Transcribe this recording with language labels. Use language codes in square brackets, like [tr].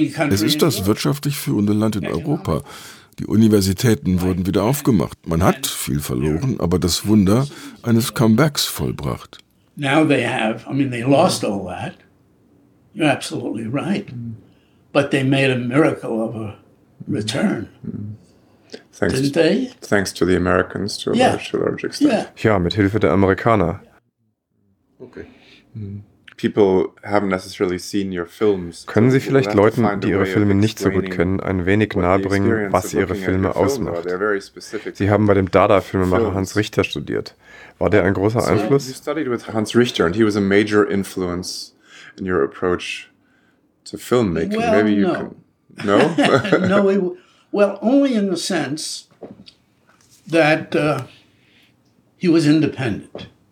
[de] Es ist das wirtschaftlich führende Land in Europa. Die Universitäten wurden wieder aufgemacht. Man hat viel verloren, aber das Wunder eines Comebacks vollbracht. [en] Now they have, I mean, they lost all that. You're absolutely right. But they made a miracle of a return. Thanks, didn't they? Thanks to the Americans, to a large extent. Yeah. [de] Ja, mit Hilfe der Amerikaner. [en] Okay. People haven't necessarily seen your films. [de] Können Sie vielleicht Leuten, die Ihre Filme nicht so gut kennen, ein wenig nahebringen, was Ihre Filme ausmacht? Sie haben bei dem Dada-Filmemacher Hans Richter studiert. War der ein großer Einfluss? [en] You studied with Hans Richter and he was a major influence in your approach to filmmaking. Well, maybe you no. can... No? No, well, only in the sense that he was independent.